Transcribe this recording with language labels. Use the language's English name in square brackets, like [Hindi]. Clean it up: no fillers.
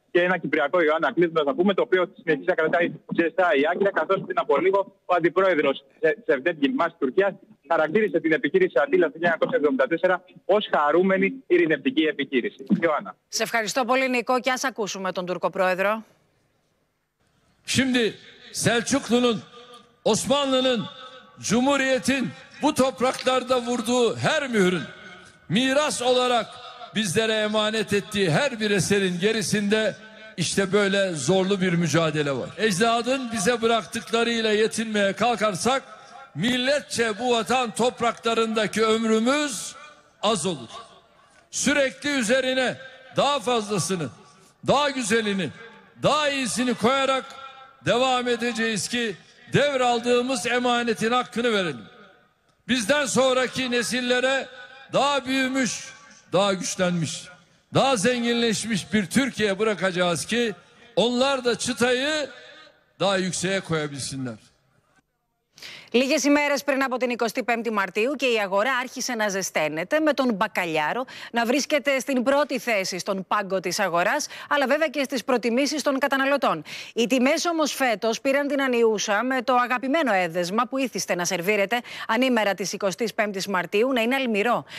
[Greek] Και ένα Κυπριακό, Ιωάννα, κλείνοντας να πούμε, το οποίο συνεχίζει να κρατάει ζεστά η άκρη, καθώς πριν από λίγο ο αντιπρόεδρος Σεβδέν Γκιλμάς της Τουρκίας χαρακτήρισε την επιχείρηση Ατήλα του 1974 ως χαρούμενη ειρηνευτική επιχείρηση. Ιωάννα. Σε ευχαριστώ πολύ, Νίκο, και ας ακούσουμε τον Τούρκο Πρόεδρο. [Turkish] Şimdi Selçuklu'nun, Osmanlı'nın, Cumhuriyet'in bu topraklarda vurduğu her mührün miras olarak bizlere emanet ettiği her bir eserin gerisinde işte böyle zorlu bir mücadele var. Ecdadın bize bıraktıklarıyla yetinmeye kalkarsak milletçe bu vatan topraklarındaki ömrümüz az olur. Sürekli üzerine daha fazlasını, daha güzelini, daha iyisini koyarak devam edeceğiz ki devraldığımız emanetin hakkını verelim. Bizden sonraki nesillere daha büyümüş, daha güçlenmiş, daha zenginleşmiş bir Türkiye bırakacağız ki onlar da çıtayı daha yükseğe koyabilsinler. [Greek] Λίγες ημέρες πριν από την 25η Μαρτίου και η αγορά άρχισε να ζεσταίνεται, με τον μπακαλιάρο να βρίσκεται στην πρώτη θέση στον πάγκο της αγοράς, αλλά βέβαια και στις προτιμήσεις των καταναλωτών. Οι τιμές όμως φέτος πήραν την ανιούσα, με το αγαπημένο έδεσμα που ήθιστε να σερβίρεται ανήμερα της 25ης Μαρτίου να είναι αλμυρό.